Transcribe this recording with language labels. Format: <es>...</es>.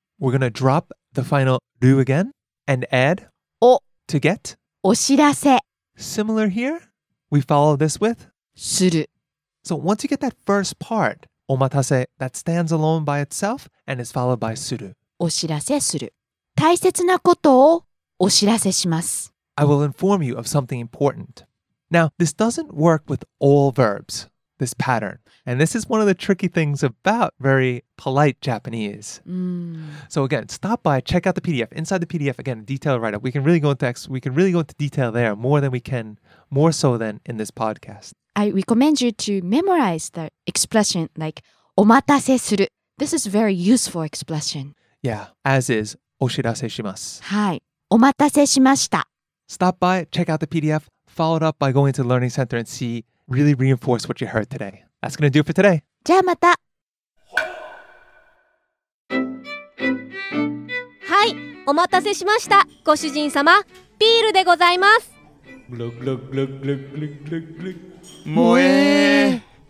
<en>We're going to drop the final ru again and add</en> <ja>お</ja> <en>to get</en> <ja>お知らせ.</ja> <en>Similar here, we follow this with</en> <ja>する.</ja> <en>So once you get that first part, お待たせ, that stands alone by itself and is followed by する.</en> <ja>お知らせする. 大切なことをお知らせします.</ja> <en>I will inform you of something important. Now, this doesn't work with all verbs. This pattern. And this is one of the tricky things about very polite Japanese. So again, stop by, check out the PDF. Inside the PDF, again, detailed write-up. We can really go into text. We can really go into detail there more than we can, more so than in this podcast. I recommend you to memorize the expression like, お待たせする. This is a very useful expression. Yeah, as is,</en> <ja>お知らせします. はい、お待たせしました.</ja> <en>Stop by, check out the PDF, followed up by going to the Learning Center and see... Really reinforce what you heard today. That's going to do it for today.</en> <ja>じゃあまた。はい、お待たせしました。ご主人様、ビールでございます。グラグラグラグラグラグラグラ。萌え。</ja>